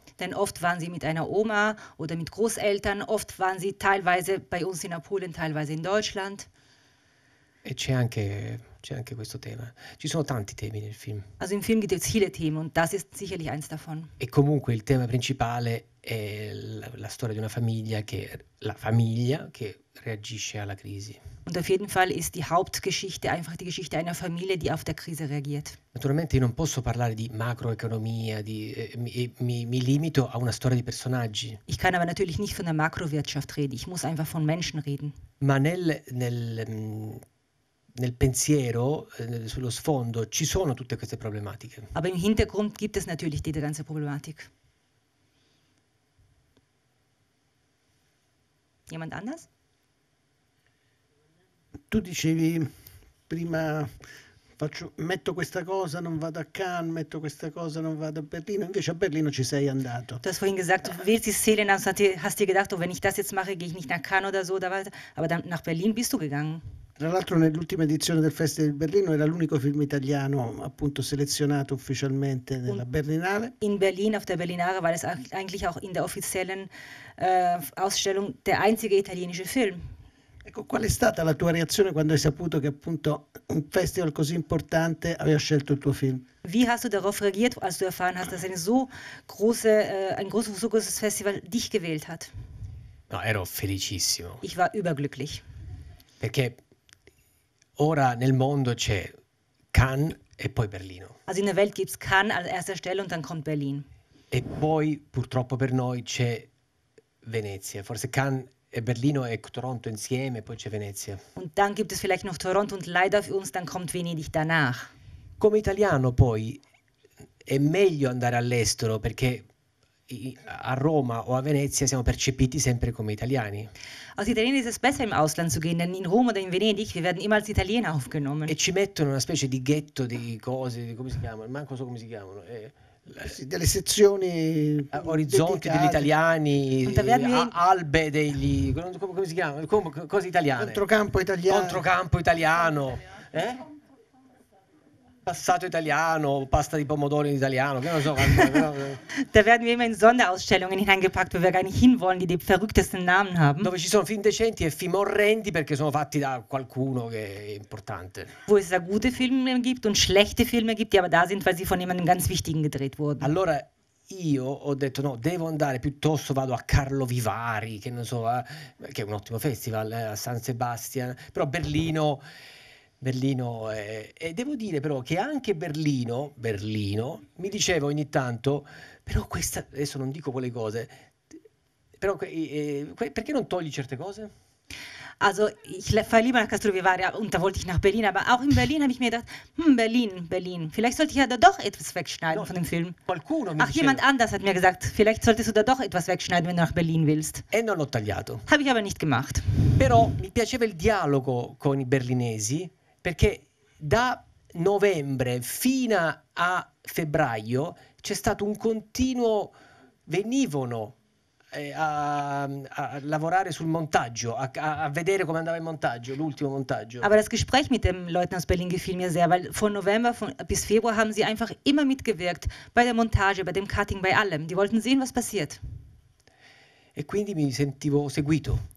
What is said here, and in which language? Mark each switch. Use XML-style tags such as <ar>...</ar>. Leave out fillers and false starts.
<de>Denn oft waren sie mit einer Oma oder mit Großeltern, oft waren sie teilweise bei uns in Polen, teilweise in Deutschland.</de> <it>E c'è anche questo tema. Ci sono tanti temi nel film.</it> <de>Also im Film gibt es viele Themen und das ist sicherlich eins davon.</de> <it>E comunque il tema principale è la storia di una famiglia che la famiglia che reagisce alla crisi.</it> <de>Und auf jeden Fall ist die Hauptgeschichte einfach die Geschichte einer Familie, die auf der Krise reagiert.</de> <it>Naturalmente io non posso parlare di macroeconomia, mi limito a una storia di personaggi.</it> <de>Ich kann aber natürlich nicht von der Makrowirtschaft reden, ich muss einfach von Menschen reden.</de> <it>Ma nel pensiero, sullo sfondo, ci sono tutte queste problematiche.</it> <de>Aber im Hintergrund gibt es natürlich diese ganze Problematik. Jemand anders?</de> <it>Tu dicevi prima metto questa cosa, non vado a Cannes, metto questa cosa, non vado a Berlino. Invece a Berlino ci sei andato.</it> <de>Du hast vorhin gesagt, du willst die Szene, hast dir gedacht, oh, wenn ich das jetzt mache, gehe ich nicht nach Cannes oder so, da war, aber dann nach Berlin bist du gegangen.</de> <it>Tra l'altro nell'ultima edizione del Festival di Berlino era l'unico film italiano appunto selezionato ufficialmente nella Berlinale.</it> <de>In Berlin, auf der Berlinale, war es eigentlich auch in der offiziellen Ausstellung der einzige italienische Film.</de> <it>Ecco, qual è stata la tua reazione quando hai saputo che appunto un festival così importante aveva scelto il tuo film?</it> <de>Wie hast du darauf reagiert, als du erfahren hast, dass ein so großes Festival dich gewählt hat?</de> <it>No, ero felicissimo.</it> <de>Ich war überglücklich.</de> <it>Perché ora nel mondo c'è Cannes e poi Berlino.</it> <de>Also in der Welt gibt's Cannes als erster Stelle und dann kommt Berlin.</de> <it>E poi purtroppo per noi c'è Venezia. Forse Cannes e Berlino e Toronto insieme, poi c'è Venezia.</it> <de>Und dann gibt es vielleicht noch Toronto und leider für uns dann kommt Venedig danach.</de> <it>Come italiano poi è meglio andare all'estero perché a Roma o a Venezia siamo percepiti sempre come italiani.</it> <de>Als Italiener ist es besser im Ausland zu gehen, denn in Rom oder in Venedig wir werden immer als Italiener aufgenommen.</de> <it>E ci mettono una specie di ghetto di cose, di come si chiamano, manco so come si chiamano. Delle sezioni orizzonti dedicate. Degli italiani albe degli come si chiama cose italiane controcampo italiano passato italiano pasta di pomodoro in italiano che non so quanto,</it> <de>da werden wir immer in Sonderausstellungen hineingepackt, wo wir gar nicht hinwollen, die verrücktesten Namen haben,</de> <it>dove ci sono film decenti e film orrendi perché sono fatti da qualcuno che è importante,</it> <de>wo es da gute Filme gibt und schlechte Filme gibt, die aber da sind, weil sie von jemandem ganz wichtigen gedreht wurden.</de> <it>Allora io ho detto no, devo andare, piuttosto vado a Carlo Vivari, che non so, che è un ottimo festival, a San Sebastian, però Berlino è... E devo dire però che anche Berlino, mi dicevo ogni tanto, però questa, adesso non dico quelle cose, però perché non togli certe cose?</it> <de>Also, ich fahre lieber nach Castro Vivari und da wollte ich nach Berlin, aber auch in Berlin habe ich mir gedacht, Berlin, vielleicht sollte ich ja da doch etwas wegschneiden, no, von dem Film.</de> <it>Qualcuno mi</it> <de>Ach, jemand anders hat mir gesagt, vielleicht solltest du da doch etwas wegschneiden, wenn du nach Berlin willst.</de> <it>E non l'ho tagliato.</it> <de>Habe ich aber nicht gemacht.</de> <it>Però mi piaceva il dialogo con i berlinesi, perché da novembre fino a febbraio c'è stato un continuo, venivano a lavorare sul montaggio, a vedere come andava il montaggio, l'ultimo montaggio.</it> <de>Aber das Gespräch mit den Leuten aus Berlin gefiel mir sehr, weil von November bis Februar haben sie einfach immer mitgewirkt bei der Montage, bei dem Cutting, bei allem. Die wollten sehen, was passiert.</de> <it>E quindi mi sentivo seguito.</it>